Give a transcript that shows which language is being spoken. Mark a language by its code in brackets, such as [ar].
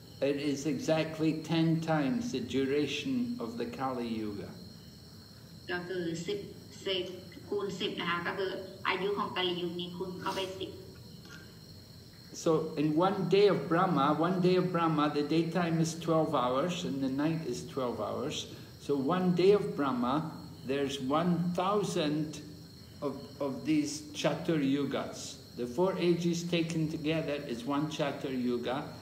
[en] It is exactly 10 times the duration of the Kali Yuga. ก็ คือ [th] 10 10 10นะคะก็คืออายุของกาลยุคนี้คูณเข้าไป10 [en] So in one day of Brahma the daytime is 12 hours and the night is 12 hours. So one day of Brahma there's 1000 of these Chatur Yugas. The four ages taken together is one Chatur Yuga.